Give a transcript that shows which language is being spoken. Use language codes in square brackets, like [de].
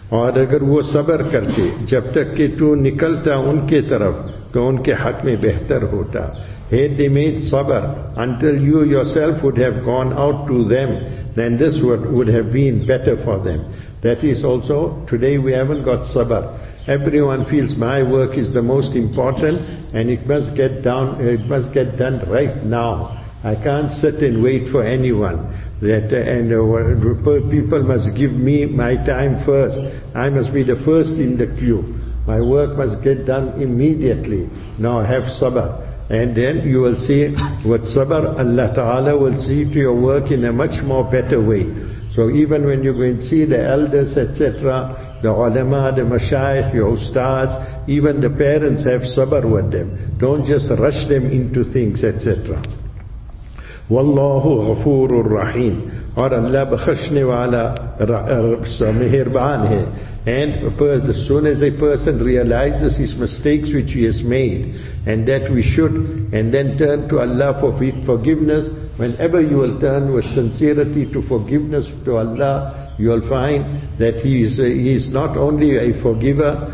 [ur] اور اگر وہ صبر کرتے جب تک کہ تو نکلتا ان کے طرف تو ان کے حق میں بہتر ہوتا. [en] Had they made sabr until you yourself would have gone out to them, then this would have been better for them. That is also, today we haven't got sabr. Everyone feels my work is the most important, and it must get done right now. I can't sit and wait for anyone. People must give me my time first. I must be the first in the queue. My work must get done immediately. Now have sabr. And then you will see, with sabr, Allah Ta'ala will see to your work in a much more better way. So even when you go and see the elders, etc., the ulama, the mashayikh, your ustads, even the parents, have sabr with them. Don't just rush them into things, etc. [ar] وَاللَّهُ غَفُورُ الرَّحِيمُ. [ur] اور اللہ بخشنے والا مہربان ہے. [en] And as soon as a person realizes his mistakes which he has made, and that we should, and then turn to Allah for forgiveness, whenever you will turn with sincerity to forgiveness to Allah, you will find that he is not only a forgiver,